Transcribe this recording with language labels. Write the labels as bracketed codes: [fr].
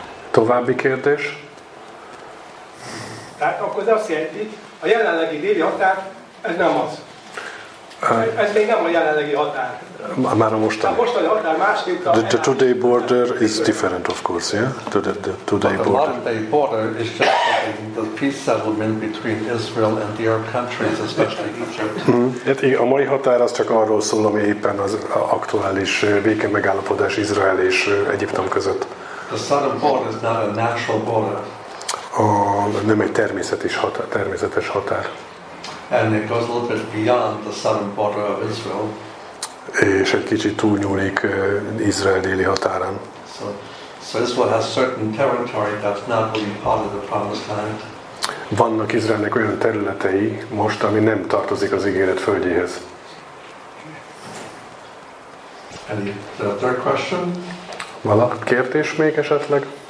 [hu] További kérdés? Tehát akkor ez azt jelenti, a jelenlegi déli határ, ez nem az. Ez még nem a jelenlegi határ. Már a mostani. A mostani határ másképp. [en] The today border is different, of course, yeah? The today border. The modern day border is just the peace settlement between Israel and the Arab countries, especially Egypt. [hu] A mai határ az csak arról szól, ami éppen az aktuális béke megállapodás Izrael és Egyiptom között. [en] The southern border is not a natural border. [hu] Nem egy természetes határ. [en] And it goes a little bit beyond the southern border of Israel. [hu] És egy kicsit túlnyúlik Izrael déli határán. [en] So Israel has certain territory that's not really part of the promised land. [hu] Vannak Izraelnek olyan területei most, ami nem tartozik az ígéret földjéhez. [en] Any third question? [hu] Valaki kérdés még esetleg?